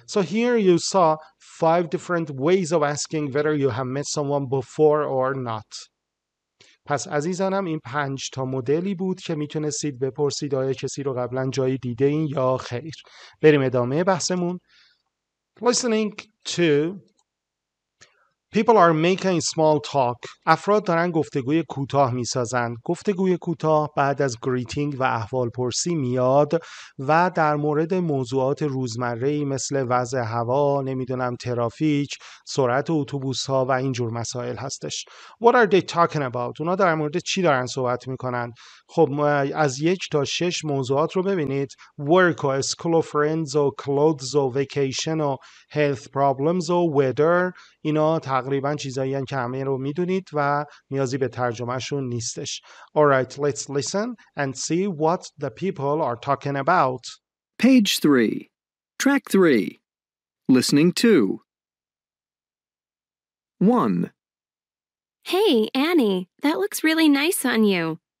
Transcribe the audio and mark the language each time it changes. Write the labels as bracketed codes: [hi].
[en] So here you saw five different ways of asking whether you have met someone before or not. [fa] پس عزیزانم این 5 تا مدلی بود که میتونستید بپرسید آیا کسی رو قبلا جایی دیده این یا خیر. بریم ادامه بحثمون. [en] Listening to people are making small talk. [fa] افراد دارن گفتگوی کوتاه میسازن. گفتگوی کوتاه بعد از greeting و احوالپرسی میاد و در مورد موضوعات روزمره‌ای مثل وضع هوا، نمیدونم ترافیک، سرعت اتوبوس‌ها و این جور مسائل هستش. [en] What are they talking about? [fa] اونا در مورد چی دارن صحبت میکنن؟ خب از 1 تا 6 موضوعات رو ببینید. [en] Work و school و friends و clothes و vacation و health problems و weather. [fa] اینا تقریبا چیزایی هم که همه رو میدونید و نیازی به ترجمهشون نیستش. [en] Alright, let's listen and see what the people are talking about. Page 3. Track 3. Listening 2. 1. Hey, Annie, that looks really nice on you.